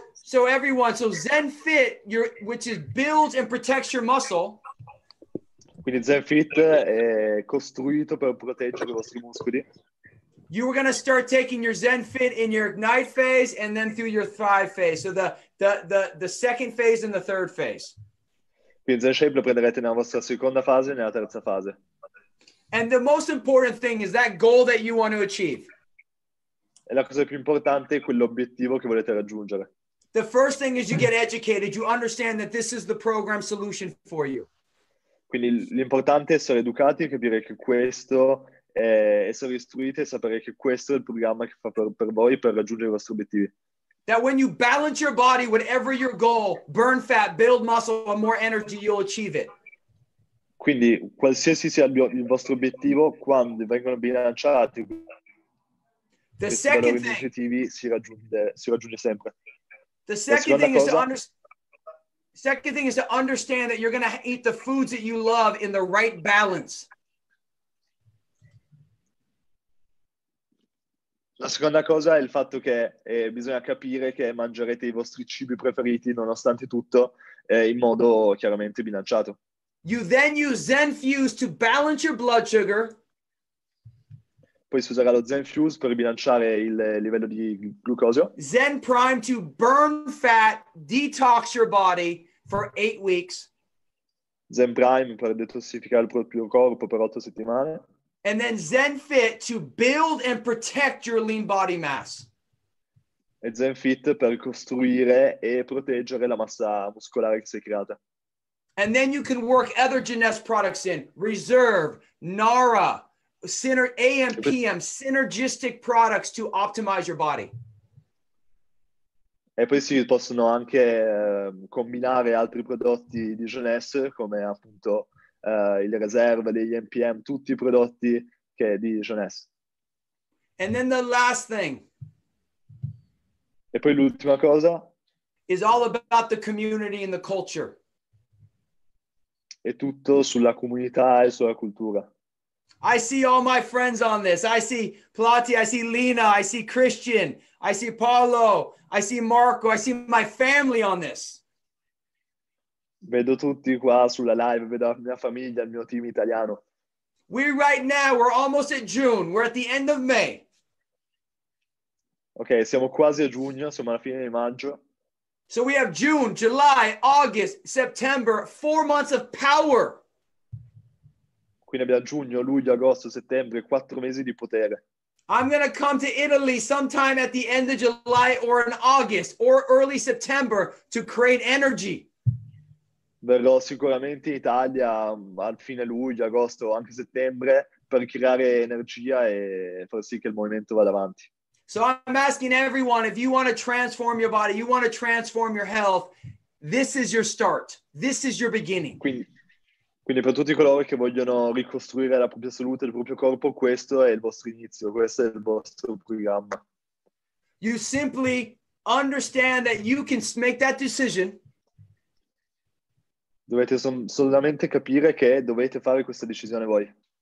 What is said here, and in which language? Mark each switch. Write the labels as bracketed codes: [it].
[en] So everyone, so Zen Fit, which is builds and protects your muscle. [it] Quindi Zen Fit è costruito per proteggere i vostri muscoli. [en] You were going to start taking your Zen Fit in your Ignite phase and then through your Thrive phase. So the second phase and the third phase. [it] Quindi Zen Shape lo prenderete nella vostra seconda fase e nella terza fase. [en] And the most important thing is that goal that you want to achieve. [it] E la cosa più importante è quell'obiettivo che volete raggiungere. [en] The first thing is you get educated, you understand that this is the program solution for you. [it] Quindi l'importante è essere educati e capire che questo è essere istruiti e sapere che questo è il programma che fa per voi per raggiungere i vostri obiettivi. [en] That when you balance your body, whatever your goal, burn fat, build muscle, and more energy, you'll achieve it. [it] Quindi qualsiasi sia il vostro obiettivo, quando vengono bilanciati, [en] the second thing, [it] si raggiunge sempre. [en] The second thing is to understand that you're going to eat the foods that you love in the right balance. [it] La seconda cosa è il fatto che bisogna capire che mangerete i vostri cibi preferiti nonostante tutto in modo chiaramente bilanciato. [en] You then use Zen Fuse to balance your blood sugar. [it] Poi si userà lo Zen Fuse per bilanciare il livello di glucosio. [en] Zen Prime to burn fat, detox your body for 8 weeks. [it] Zen Prime per detossificare il proprio corpo per 8 settimane. [en] And then Zen Fit to build and protect your lean body mass. [it] E Zen Fit per costruire e proteggere la massa muscolare che si è creata. [en] And then you can work other Jeunesse products in. Reserve, Nara, AMPM, synergistic products to optimize your body. [it] E poi si possono anche combinare altri prodotti di Jeunesse, come appunto il Reserve, degli AMPM, tutti i prodotti che di Jeunesse. [en] And then the last thing. [it] E poi l'ultima cosa. [en] Is all about the community and the culture. [it] è tutto sulla comunità e sulla cultura. [en] I see all my friends on this. I see Plati, I see Lina, I see Christian, I see Paolo, I see Marco, I see my family on this. [it] Vedo tutti qua sulla live, vedo la mia famiglia, il mio team italiano. [en] We right now, we're almost at June, we're at the end of May. [it] Ok, siamo quasi a giugno, siamo alla fine di maggio. [en] So we have June, July, August, September, 4 months of power. [it] Quindi abbiamo giugno, luglio, agosto, settembre, 4 mesi di potere. [en] I'm gonna come to Italy sometime at the end of July or in August or early September to create energy. [it] Verrò sicuramente in Italia a fine luglio, agosto o anche settembre per creare energia e far sì che il movimento vada avanti. [en] So I'm asking everyone, if you want to transform your body, you want to transform your health, this is your start. This is your beginning. [it] Quindi per tutti coloro che vogliono ricostruire la propria salute, il proprio corpo, questo è il vostro inizio, questo è il vostro programma. [en] You simply understand that you can make that decision. [it] Dovete solamente capire che dovete fare questa decisione voi.